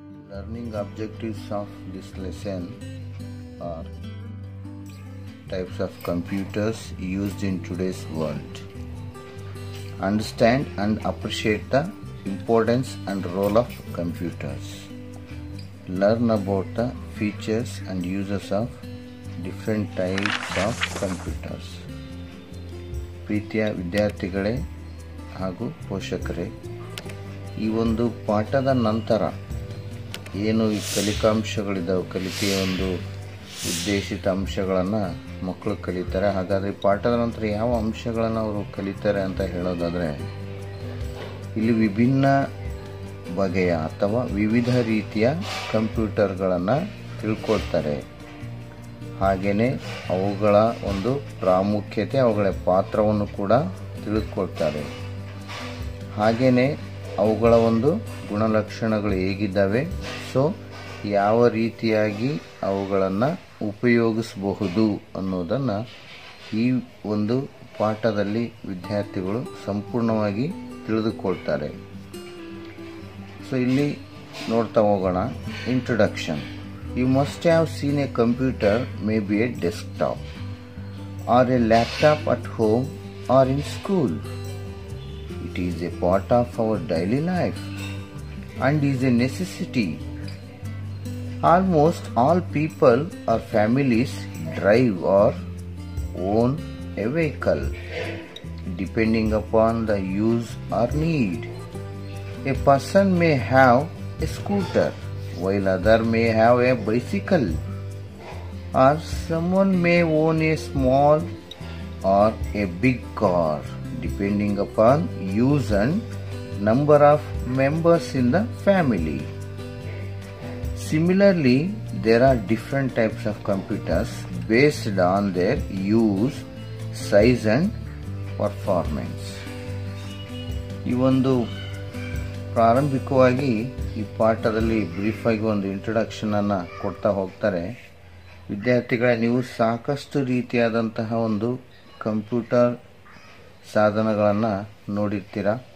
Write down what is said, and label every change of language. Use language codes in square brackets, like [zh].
[en] Learning objectives of this lesson are types of computers used in today's world. Understand and appreciate the importance and role of computers. Learn about the features and uses of different types of computers. [kn] ಪ್ರೀತಿಯ ವಿದ್ಯಾರ್ಥಿಗಳೇ ಹಾಗೂ ಪೋಷಕರೇ, ಈ ಒಂದು ಪಾಠದ ನಂತರ ಏನು ಈ ಕಲಿಕಾಂಶಗಳಿದ್ದಾವೆ, ಕಲಿಕೆಯ ಒಂದು ಉದ್ದೇಶಿತ ಅಂಶಗಳನ್ನು ಮಕ್ಕಳು ಕಲಿತಾರೆ, ಹಾಗಾದರೆ ಪಾಠದ ನಂತರ ಯಾವ ಅಂಶಗಳನ್ನು ಅವರು ಕಲಿತಾರೆ ಅಂತ ಹೇಳೋದಾದರೆ, ಇಲ್ಲಿ ವಿಭಿನ್ನ ಬಗೆಯ ಅಥವಾ ವಿವಿಧ ರೀತಿಯ ಕಂಪ್ಯೂಟರ್ಗಳನ್ನು ತಿಳ್ಕೊಳ್ತಾರೆ, ಹಾಗೆಯೇ ಅವುಗಳ ಒಂದು ಪ್ರಾಮುಖ್ಯತೆ, ಅವುಗಳ ಪಾತ್ರವನ್ನು ಕೂಡ ತಿಳಿದುಕೊಳ್ತಾರೆ, ಹಾಗೆಯೇ ಅವುಗಳ ಒಂದು ಗುಣಲಕ್ಷಣಗಳು ಹೇಗಿದ್ದಾವೆ, ಸೊ ಯಾವ ರೀತಿಯಾಗಿ ಅವುಗಳನ್ನು ಉಪಯೋಗಿಸಬಹುದು ಅನ್ನೋದನ್ನು ಈ ಒಂದು ಪಾಠದಲ್ಲಿ ವಿದ್ಯಾರ್ಥಿಗಳು ಸಂಪೂರ್ಣವಾಗಿ ತಿಳಿದುಕೊಳ್ತಾರೆ. ಸೊ ಇಲ್ಲಿ ನೋಡ್ತಾ ಹೋಗೋಣ. Introduction. [en] You must have seen a computer, maybe a desktop, or a laptop at home or in school. It is a part of our daily life and is a necessity. Almost all people or families drive or own a vehicle, depending upon the use or need. A person may have a scooter, while other may have a bicycle, or someone may own a small or a big car, depending upon use and number of members in the family. Similarly, there are different types of computers based on their use, size and performance. [kn] Ivondu ಪ್ರಾರಂಭಿಕವಾಗಿ ಈ ಪಾಠದಲ್ಲಿ ಬ್ರೀಫಾಗಿ ಒಂದು ಇಂಟ್ರೊಡಕ್ಷನನ್ನು ಕೊಡ್ತಾ ಹೋಗ್ತಾರೆ. ವಿದ್ಯಾರ್ಥಿಗಳೇ, ನೀವು ಸಾಕಷ್ಟು ರೀತಿಯಾದಂತಹ ಒಂದು ಕಂಪ್ಯೂಟರ್ ಸಾಧನಗಳನ್ನು ನೋಡಿರ್ತೀರ.